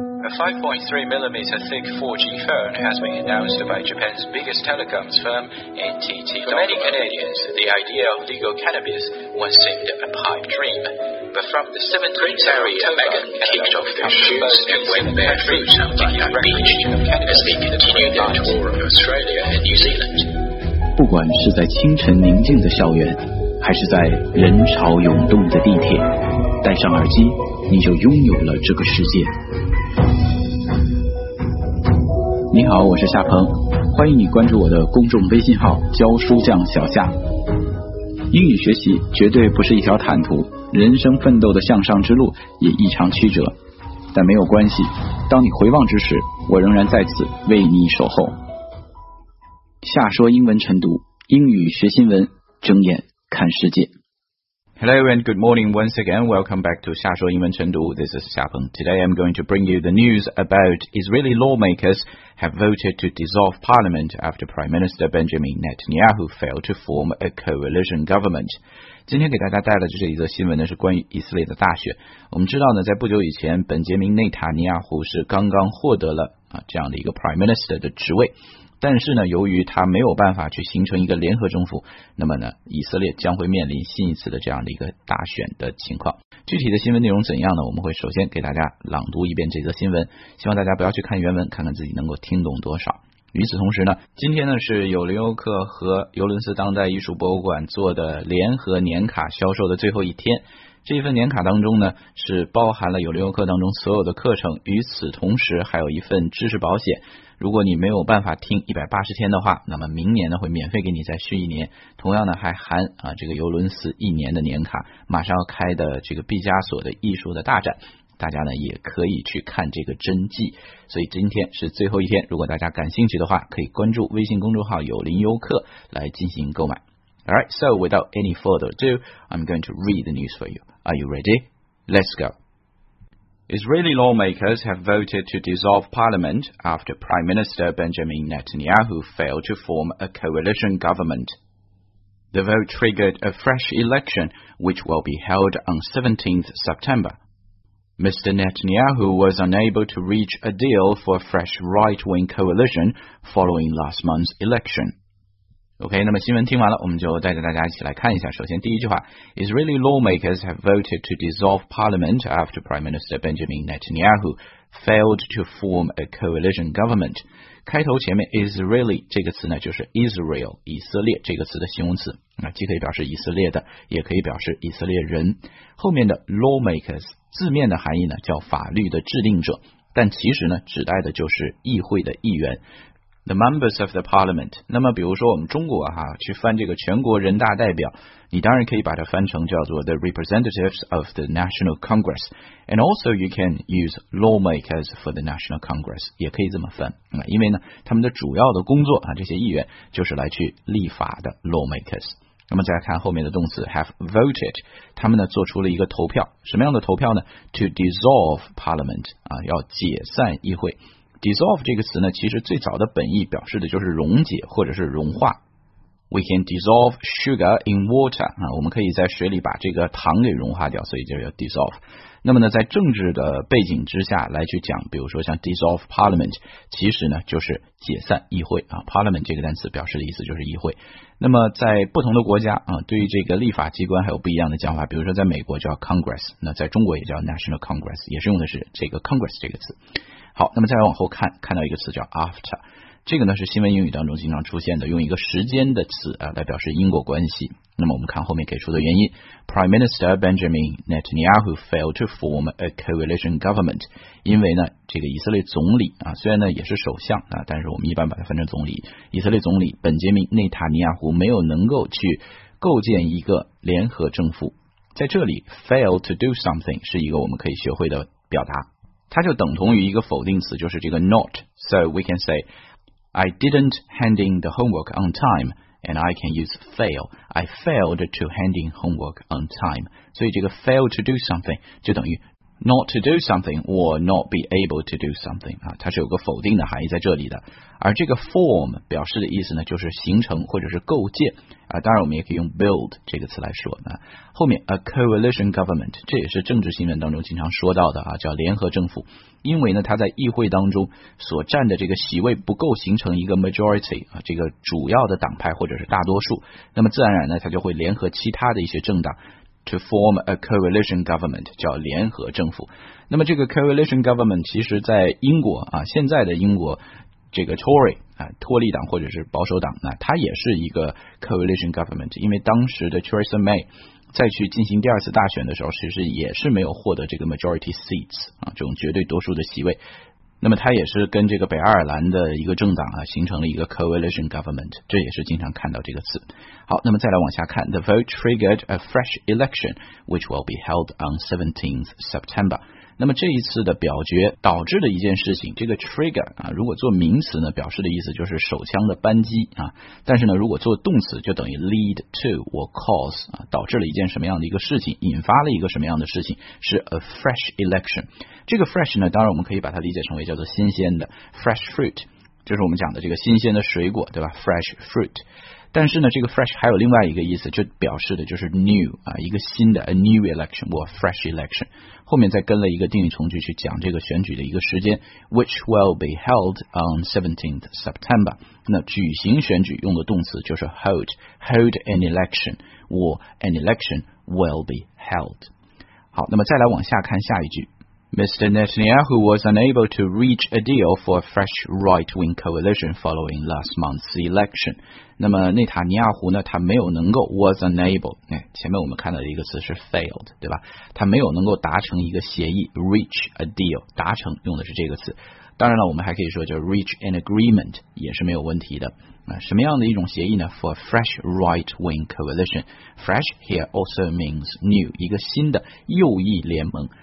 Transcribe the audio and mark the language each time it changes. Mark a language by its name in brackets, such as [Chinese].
[English] 5.3mm thick 4G phone has been announced by Japan's biggest telecoms firm, NTT. For many Canadians, the idea of legal cannabis once seemed a pipe dream. But from the 17th area, Megan kicked off their shoes and went barefoot on the beach as they continued their tour of Australia and New Zealand. [Chinese] 不管是在清晨宁静的校园，还是在人潮涌动的地铁，戴上耳机，你就拥有了这个世界。你好，我是夏鹏，欢迎你关注我的公众微信号教书匠小夏。英语学习绝对不是一条坦途，人生奋斗的向上之路也异常曲折，但没有关系，当你回望之时，我仍然在此为你守候。下说英文晨读，英语学新闻，睁眼看世界。 [English] Hello and good morning once again. Welcome back to 下说英文晨读。 This is 夏鹏。 Today I'm going to bring you the news about Israeli lawmakers have voted to dissolve parliament after Prime Minister Benjamin Netanyahu failed to form a coalition government. [Chinese] 今天给大家带来的这一则新闻呢，是关于以色列的大选。我们知道呢，在不久以前，本杰明内塔尼亚胡是刚刚获得了这样的一个 Prime Minister 的职位。但是呢，由于他没有办法去形成一个联合政府，那么呢，以色列将会面临新一次的这样的一个大选的情况。具体的新闻内容怎样呢？我们会首先给大家朗读一遍这则新闻，希望大家不要去看原文，看看自己能够听懂多少。与此同时呢，今天呢是有林欧克和尤伦斯当代艺术博物馆做的联合年卡销售的最后一天。这一份年卡当中呢，是包含了有林欧克当中所有的课程，与此同时还有一份知识保险。如果你没有办法听180天的话，那么明年呢会免费给你再续一年，同样呢还含这个尤伦斯一年的年卡，马上要开的这个毕加索的艺术的大展，大家呢也可以去看这个真迹。所以今天是最后一天，如果大家感兴趣的话，可以关注微信公众号有林优客来进行购买。 [English] Alright, so without any further ado, I'm going to read the news for you. Are you ready? Let's goIsraeli lawmakers have voted to dissolve parliament after Prime Minister Benjamin Netanyahu failed to form a coalition government. The vote triggered a fresh election, which will be held on 17th September. Mr. Netanyahu was unable to reach a deal for a fresh right-wing coalition following last month's election. [Chinese] OK, 那么新闻听完了，我们就带着大家一起来看一下。首先第一句话， [English] Israeli lawmakers have voted to dissolve parliament after Prime Minister Benjamin Netanyahu failed to form a coalition government. [Chinese] 开头前面 Israeli 这个词呢，就是 Israel, 以色列这个词的形容词，既可以表示以色列的，也可以表示以色列人。后面的 lawmakers, 字面的含义呢，叫法律的制定者，但其实呢，指代的就是议会的议员。 [English] The members of the parliament. [Chinese] 那么比如说我们中国去翻这个全国人大代表，你当然可以把它翻成叫做 [English] the representatives of the national congress. And also you can use lawmakers for the national congress. [Chinese] 也可以这么翻，因为呢他们的主要的工作这些议员就是来去立法的 lawmakers. 那么再看后面的动词 have voted. 他们呢做出了一个投票，什么样的投票呢？ [English] To dissolve parliament. [Chinese] 要解散议会。 Dissolve 这个词呢，其实最早的本意表示的就是溶解或者是融化。 [English] We can dissolve sugar in water. [Chinese] 我们可以在水里把这个糖给融化掉，所以就叫 dissolve。那么呢，在政治的背景之下来去讲，比如说像 dissolve parliament, 其实呢就是解散议会啊。 Parliament 这个单词表示的意思就是议会。那么在不同的国家对于这个立法机关还有不一样的讲法，比如说在美国叫 Congress, 那在中国也叫 National Congress, 也是用的是这个 Congress 这个词。好，那么再往后看，看到一个词叫 after, 这个呢是新闻英语当中经常出现的，用一个时间的词来表示因果关系。那么我们看后面给出的原因， [English] Prime Minister Benjamin Netanyahu failed to form a coalition government, [Chinese] 因为呢这个以色列总理虽然呢也是首相但是我们一般把它分成总理，以色列总理本杰明内塔尼亚胡没有能够去构建一个联合政府。在这里 fail to do something 是一个我们可以学会的表达，它就等同于一个否定词，就是这个 not. [English] So we can say, I didn't hand in the homework on time, and I can use fail. I failed to hand in homework on time. [Chinese] 所以这个 [English] fail to do something [Chinese] 就等于 [English] not to do something or not be able to do something、 [Chinese] 啊、它是有个否定的含义在这里的。而这个 form 表示的意思呢，就是形成或者是构建、啊、当然我们也可以用 build 这个词来说、啊、后面 a coalition government 这也是政治新闻当中经常说到的、啊、叫联合政府，因为呢它在议会当中所占的这个席位不够形成一个 majority、啊、这个主要的党派或者是大多数，那么自然而然呢它就会联合其他的一些政党 [English] to form a coalition government， [Chinese] 叫联合政府。那么这个 coalition government 其实在英国啊，现在的英国这个 Tory 啊，托利党或者是保守党，那它也是一个 coalition government， 因为当时的 Theresa May 再去进行第二次大选的时候，其实也是没有获得这个 [English] majority seats [Chinese] 啊，这种绝对多数的席位。那么它也是跟这个北爱尔兰的一个政党啊，形成了一个 coalition government， 这也是经常看到这个词。好，那么再来往下看 [English] ，the vote triggered a fresh election which will be held on 17th September。 [Chinese] 那么这一次的表决导致的一件事情，这个 trigger 啊，如果做名词呢，表示的意思就是手枪的扳机啊，但是呢，如果做动词，就等于 [English] lead to or cause [Chinese] 啊，导致了一件什么样的一个事情，引发了一个什么样的事情，是 a fresh election。这个 fresh 呢，当然我们可以把它理解成为叫做新鲜的 [English] fresh fruit， [Chinese] 就是我们讲的这个新鲜的水果，对吧 ？fresh fruit。但是呢，这个 fresh 还有另外一个意思，就表示的就是 new 啊，一个新的 [English] a new election or fresh election。 [Chinese] 后面再跟了一个定语从句去讲这个选举的一个时间 ， [English] which will be held on 17th September。 [Chinese] 那举行选举用的动词就是 [English] hold an election or an election will be held。 [Chinese] 好，那么再来往下看下一句。 [English] Mr. Netanyahu was unable to reach a deal for a fresh right-wing coalition following last month's election. [Chinese] 那么内塔尼亚胡呢，他没有能够 [English] was unable、 [Chinese] 哎、前面我们看到的一个词是 failed， 对吧？他没有能够达成一个协议 [English] reach a deal， [Chinese] 达成用的是这个词。当然了，我们还可以说叫 [English] reach an agreement [Chinese] 也是没有问题的。什么样的一种协议呢？ [English] For a fresh right-wing coalition. Fresh here also means new， [Chinese] 一个新的右翼联盟。